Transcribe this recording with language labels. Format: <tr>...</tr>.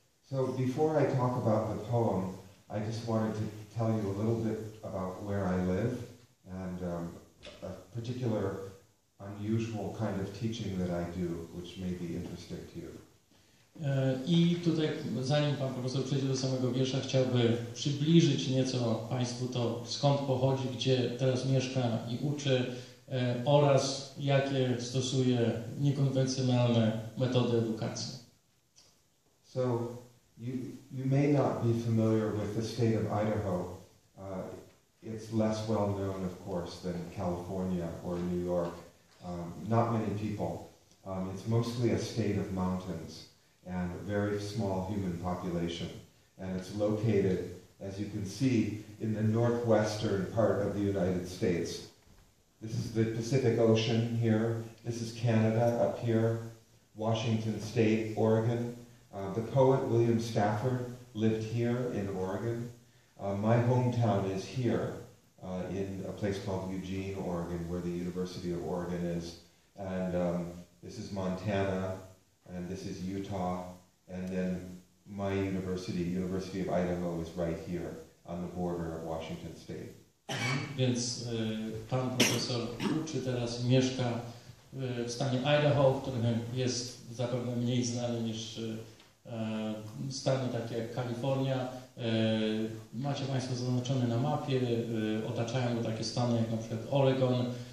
<en>So before I talk about the poem, I just wanted to tell you a little bit about where I live and a particular unusual kind of teaching that I do, which may be interesting to you.</en> <pl>I tutaj, zanim pan profesor przejdzie do samego wiersza, chciałby przybliżyć nieco państwu to, skąd pochodzi, gdzie teraz mieszka i uczy, oraz jakie stosuje niekonwencjonalne metody edukacji.</pl> <en>So, you may not be familiar with the state of Idaho. It's less well known, of course, than California or New York. Not many people. It's mostly a state of mountains and a very small human population. And it's located, as you can see, in the northwestern part of the United States. This is the Pacific Ocean here. This is Canada up here, Washington State, Oregon. The poet William Stafford lived here in Oregon. My hometown is here in a place called Eugene, Oregon, where the University of Oregon is. And this is Montana, and this is Utah. And then my university, University of Idaho, is right here on the border of Washington State.</en> <pl>Więc pan profesor uczy teraz, mieszka w stanie Idaho, w którym jest zapewne mniej znany niż stany takie jak Kalifornia. Macie państwo zaznaczone na mapie, otaczają go takie stany jak na przykład Oregon.</pl>